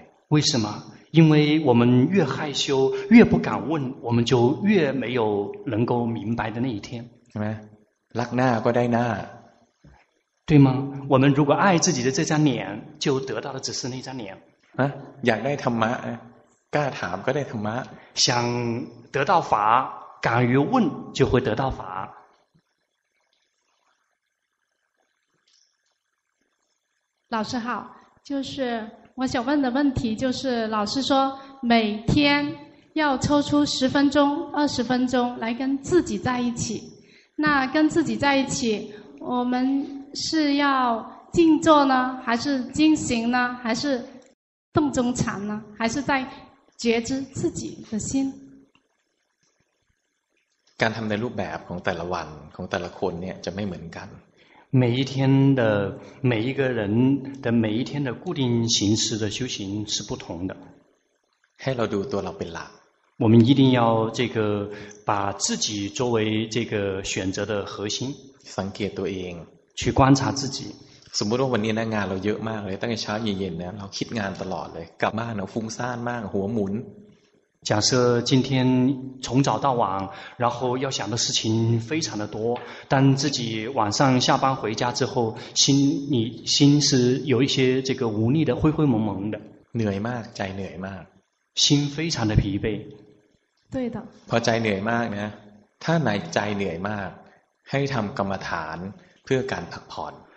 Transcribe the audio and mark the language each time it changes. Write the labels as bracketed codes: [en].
[zh] 为什么？因为我们越害羞，越不敢问，我们就越没有能够明白的那一天。什么？拉那过来那？对吗？我们如果爱自己的这张脸，就得到的只是那张脸。啊，想得到法，敢问就得到法。想得到法，敢于问就会得到法。老师好，就是我想问的问题，就是老师说每天要抽出十分钟、二十分钟来跟自己在一起。那跟自己在一起，我们是要静坐呢，还是静行呢，还是动中禅呢，还是在觉知自己的心？ [th] การทำในรูปแบบของแต่ละวันของแต่ละคนเนี่ยจะไม่เหมือนกัน。 [zh] 每一天的每一个人的每一天的固定形式的修行是不同的。 [th] ให้เราดูตัวเราเป็นหลัก。 [zh] 我们一定要这个把自己作为这个选择的核心。 [th] สังเกตตัวเอง。 [zh] 去观察自己。 [th] สมมติว่าวันนี้นะงานเราเยอะมากเลยตั้งแต่เช้าเย็นๆนะเราคิดงานตลอดเลยกลับบ้านเราฟุ้งซ่านมากหัวหมุน。 [zh] 假设今天从早到晚，然后要想的事情非常的多，但自己晚上下班回家之后，心是有一些这个无力的，灰灰蒙蒙的。 [th] เหนื่อยมาก，ใจเหนื่อยมาก， [zh] 心非常的疲惫。对的。 [th] พอใจเหนื่อยมากนะ，ถ้าไหนใจเหนื่อยมาก，ให้ทำกรรมฐานเพื่อการพักผ่อน。